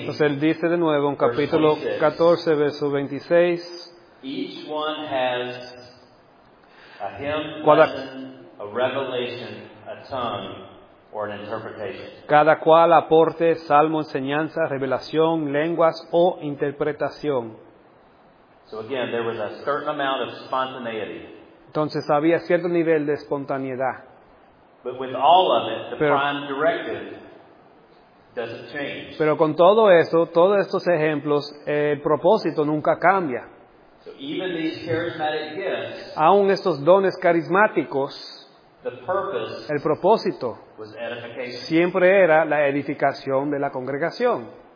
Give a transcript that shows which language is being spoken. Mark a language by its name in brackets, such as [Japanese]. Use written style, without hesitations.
[Spanish] entonces él dice de nuevo en capítulo 14, verso 26, [English] each one has a hymn, lesson, a revelation, a tongue. Or an interpretation. [Spanish] Cada cual aporte salmo, enseñanza, revelación, lenguas o interpretación. [English] So again, there was a certain amount of spontaneity. [Spanish] Entonces había cierto nivel de espontaneidad. [English] But with all of it, the prime directive doesn't change. [Spanish] Pero con todo eso, todos estos ejemplos, el propósito nunca cambia. [English] So even these charismatic gifts, [Spanish] aún estos dones carismáticos, el propósito siempre era la edificación de la congregación.